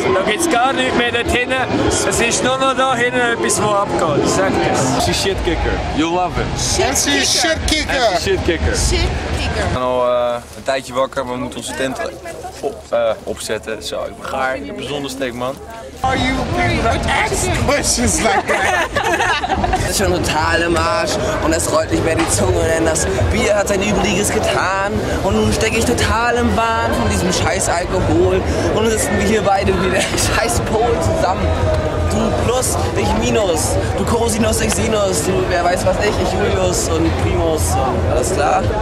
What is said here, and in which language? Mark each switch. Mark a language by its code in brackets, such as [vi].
[nl] Dan gaat het gar niet meer naar binnen. Het is nog daar binnen en iets voor opkomt. Zeg eens. Dat is een shitkicker. [en] You love it. [nl] Shitkicker. Dat is een shitkicker. Shitkicker. We zijn al een tijdje wakker. We moeten onze tent opzetten. Zo, ik ben gaar. Ik heb een zonnesteek, man. [en] Are you prepared to ask questions like that? [de] Das ist schon total im Arsch und es rollt nicht mehr die Zunge, denn das Bier hat sein Übriges getan. Und nun stecke ich total im Wahn von diesem scheiß Alkohol und sitzen wir hier beide wie der scheiß Pol zusammen. Du Plus, ich Minus, du Cosinus, ich Sinus, du wer weiß was ich, ich Julius und Primus und alles klar?